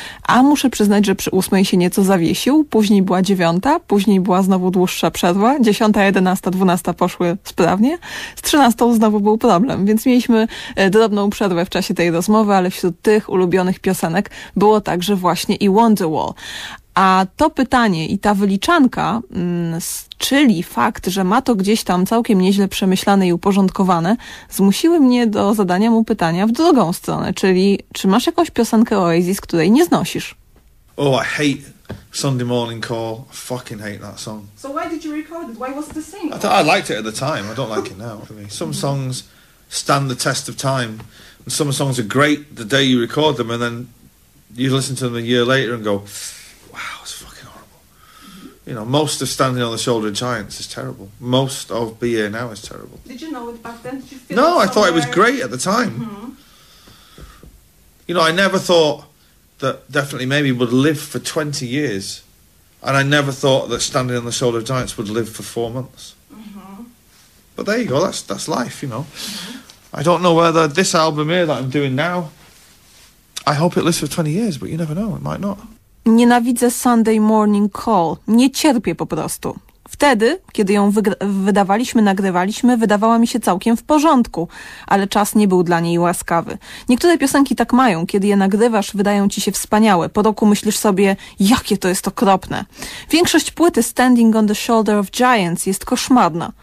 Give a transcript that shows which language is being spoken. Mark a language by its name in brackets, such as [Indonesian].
[Polish] A muszę przyznać, że przy 8 się nieco zawiesił, później była 9, później była znowu dłuższa przerwa, 10, 11, 12 poszły sprawnie, z 13 znowu był problem, więc mieliśmy drobną przerwę w czasie tej rozmowy, ale wśród tych ulubionych piosenek było także właśnie i Wonderwall. A to pytanie i ta wyliczanka, czyli fakt, że ma to gdzieś tam całkiem nieźle przemyślane i uporządkowane, zmusiły mnie do zadania mu pytania w drugą stronę, czyli czy masz jakąś piosenkę Oasis, której nie znosisz? [English] Oh, I hate Sunday Morning Call. I fucking hate that song. So why did you record it? Why was it the same? I liked it at the time. I don't like it now. Some songs stand the test of time. And some songs are great the day you record them, and then you listen to them a year later and go, wow, it's fucking horrible. Mm-hmm. You know, most of Standing on the Shoulder of Giants is terrible. Most of Be Here Now is terrible. Did you know it back then? Did you feel no, it somewhere? I thought it was great at the time. Mm-hmm. You know, I never thought that Definitely Maybe would live for 20 years. And I never thought that Standing on the Shoulder of Giants would live for 4 months. Mm-hmm. But there you go, that's life, you know. Mm-hmm. I don't know whether this album here that I'm doing now, I hope it lives for 20 years, but you never know, it might not. [Polish] Nienawidzę Sunday Morning Call. Nie cierpię po prostu. Wtedy, kiedy ją nagrywaliśmy, wydawała mi się całkiem w porządku, ale czas nie był dla niej łaskawy. Niektóre piosenki tak mają, kiedy je nagrywasz, wydają ci się wspaniałe. Po roku myślisz sobie, jakie to jest okropne. Większość płyty Standing on the Shoulder of Giants jest koszmarna.